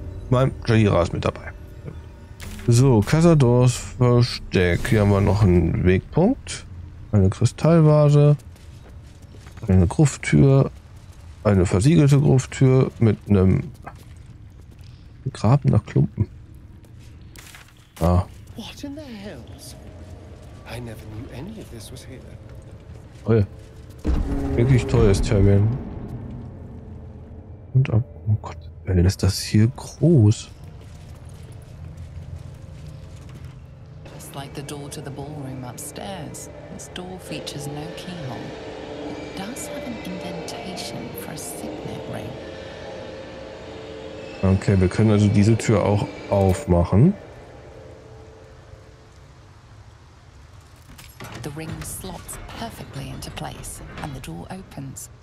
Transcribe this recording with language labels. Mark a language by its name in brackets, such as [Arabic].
[German] Mein Jahira ist mit dabei. So, Casadors Versteck. Hier haben wir noch einen Wegpunkt. Eine Kristallvase. Eine Grufttür. Eine versiegelte Grufttür mit einem Graben nach Klumpen. Ah. [English] What in the hell? I never knew any of this was here. [German] Toll. Wirklich tolles Terrain. Und ab. Oh Gott. Dann ist das hier groß. [English] Just like the door to the ballroom upstairs, this door features no keyhole. It does have an indentation for a signet ring. [German] Okay, wir können also diese Tür auch aufmachen. [English] The ring slots perfectly into place and the door opens.